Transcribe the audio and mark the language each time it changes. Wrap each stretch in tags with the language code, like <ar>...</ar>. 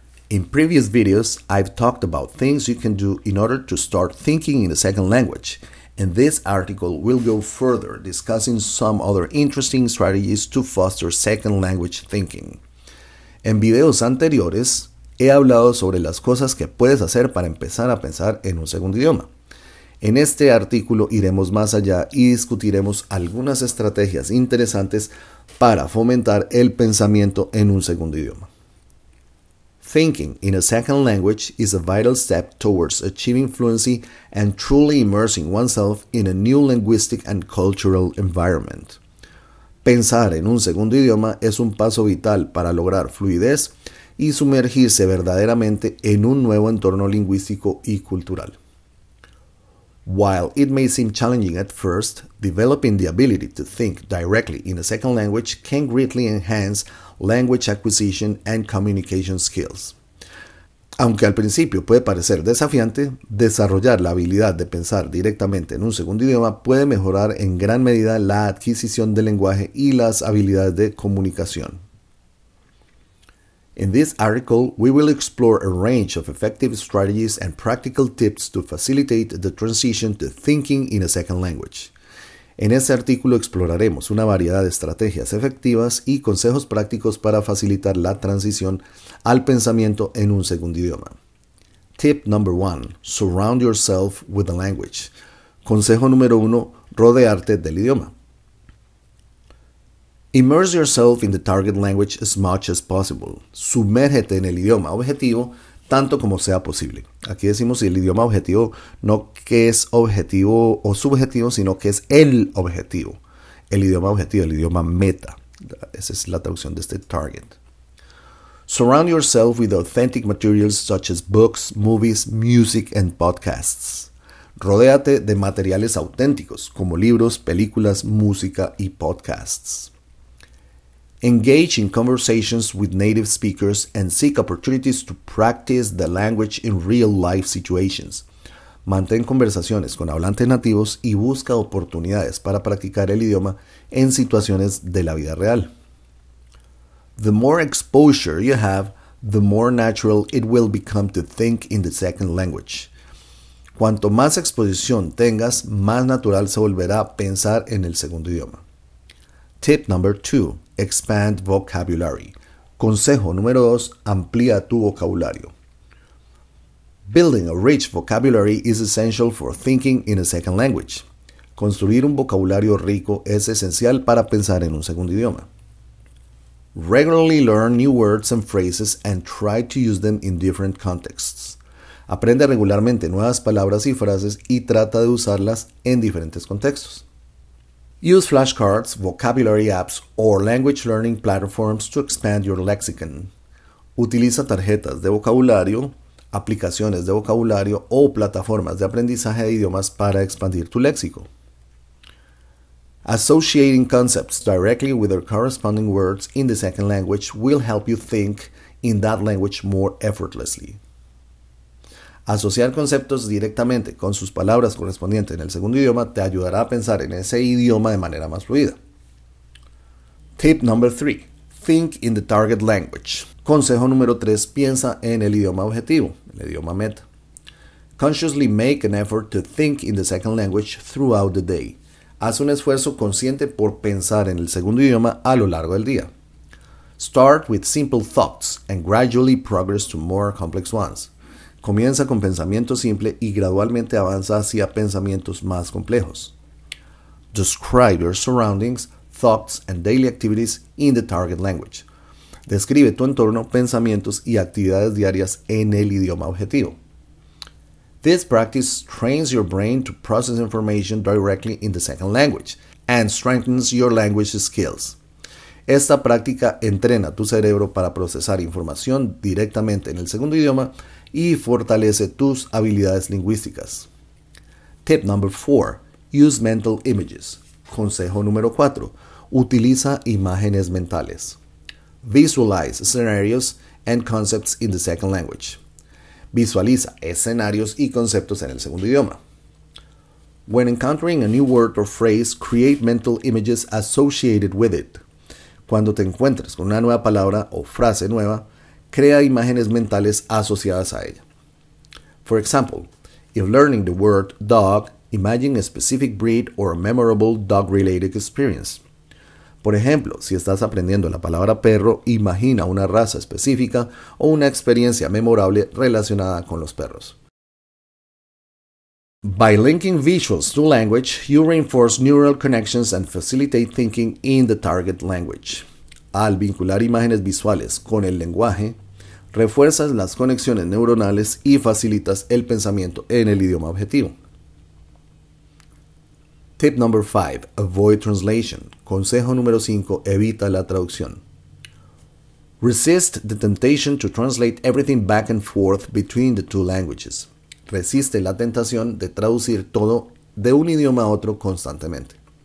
<en>In previous videos, I've talked about things you can do in order to start thinking in a second language. And this article will go further, discussing some other interesting strategies to foster second language thinking.</en> <es>En videos anteriores, he hablado sobre las cosas que puedes hacer para empezar a pensar en un segundo idioma. En este artículo iremos más allá y discutiremos algunas estrategias interesantes para fomentar el pensamiento en un segundo idioma.</es> <en>Thinking in a second language is a vital step towards achieving fluency and truly immersing oneself in a new linguistic and cultural environment.</en> <es>Pensar en un segundo idioma es un paso vital para lograr fluidez y sumergirse verdaderamente en un nuevo entorno lingüístico y cultural.</es> <en>While it may seem challenging at first, developing the ability to think directly in a second language can greatly enhance language acquisition and communication skills.</en> <es>Aunque al principio puede parecer desafiante, desarrollar la habilidad de pensar directamente en un segundo idioma puede mejorar en gran medida la adquisición del lenguaje y las habilidades de comunicación.</es> <en>In this article, we will explore a range of effective strategies and practical tips to facilitate the transition to thinking in a second language.</en> <es>En este artículo exploraremos una variedad de estrategias efectivas y consejos prácticos para facilitar la transición al pensamiento en un segundo idioma.</es> <en>Tip number one, surround yourself with the language.</en> <es>Consejo número uno, rodearte del idioma.</es> <en>Immerse yourself in the target language as much as possible.</en> <es>Sumérgete en el idioma objetivo tanto como sea posible. Aquí decimos el idioma objetivo, no que es objetivo o subjetivo, sino que es el objetivo. El idioma objetivo, el idioma meta. Esa es la traducción de este target.</es> <en>Surround yourself with authentic materials such as books, movies, music and podcasts.</en> <es>Rodéate de materiales auténticos como libros, películas, música y podcasts.</es> <en>Engage in conversations with native speakers and seek opportunities to practice the language in real-life situations.</en> <es>Mantén conversaciones con hablantes nativos y busca oportunidades para practicar el idioma en situaciones de la vida real.</es> <en>The more exposure you have, the more natural it will become to think in the second language.</en> <es>Cuanto más exposición tengas, más natural se volverá pensar en el segundo idioma.</es> <en>Tip number two. Expand vocabulary.</en> <es>Consejo número 2. Amplía tu vocabulario.</es> <en>Building a rich vocabulary is essential for thinking in a second language.</en> <es>Construir un vocabulario rico es esencial para pensar en un segundo idioma.</es> <en>Regularly learn new words and phrases and try to use them in different contexts.</en> <es>Aprende regularmente nuevas palabras y frases y trata de usarlas en diferentes contextos.</es> <en>Use flashcards, vocabulary apps, or language learning platforms to expand your lexicon.</en> <es>Utiliza tarjetas de vocabulario, aplicaciones de vocabulario o plataformas de aprendizaje de idiomas para expandir tu léxico.</es> <en>Associating concepts directly with their corresponding words in the second language will help you think in that language more effortlessly.</en> <es>Asociar conceptos directamente con sus palabras correspondientes en el segundo idioma te ayudará a pensar en ese idioma de manera más fluida.</es> <en>Tip number 3. Think in the target language.</en> <es>Consejo número 3. Piensa en el idioma objetivo, el idioma meta.</es> <en>Consciously make an effort to think in the second language throughout the day.</en> <es>Haz un esfuerzo consciente por pensar en el segundo idioma a lo largo del día.</es> <en>Start with simple thoughts and gradually progress to more complex ones.</en> <es>Comienza con pensamiento simple y gradualmente avanza hacia pensamientos más complejos.</es> <en>Describe your surroundings, thoughts, and daily activities in the target language.</en> <es>Describe tu entorno, pensamientos y actividades diarias en el idioma objetivo.</es> <en>This practice trains your brain to process information directly in the second language and strengthens your language skills.</en> <es>Esta práctica entrena tu cerebro para procesar información directamente en el segundo idioma y fortalece tus habilidades lingüísticas.</es> <en>Tip number 4. Use mental images.</en> <es>Consejo número 4. Utiliza imágenes mentales.</es> <en>Visualize scenarios and concepts in the second language.</en> <es>Visualiza escenarios y conceptos en el segundo idioma.</es> <en>When encountering a new word or phrase, create mental images associated with it.</en> <es>Cuando te encuentres con una nueva palabra o frase nueva, crea imágenes mentales asociadas a ella.</es> <en>For example, if learning the word dog, imagine a specific breed or a memorable dog-related experience.</en> <es>Por ejemplo, si estás aprendiendo la palabra perro, imagina una raza específica o una experiencia memorable relacionada con los perros.</es> <en>By linking visuals to language, you reinforce neural connections and facilitate thinking in the target language.</en> <es>Al vincular imágenes visuales con el lenguaje, refuerzas las conexiones neuronales y facilitas el pensamiento en el idioma objetivo.</es> <en>Tip number 5. Avoid translation.</en> <es>Consejo número 5. Evita la traducción.</es> <en>Resist the temptation to translate everything back and forth between the two languages.</en> <es>Resiste la tentación de traducir todo de un idioma a otro constantemente.</es>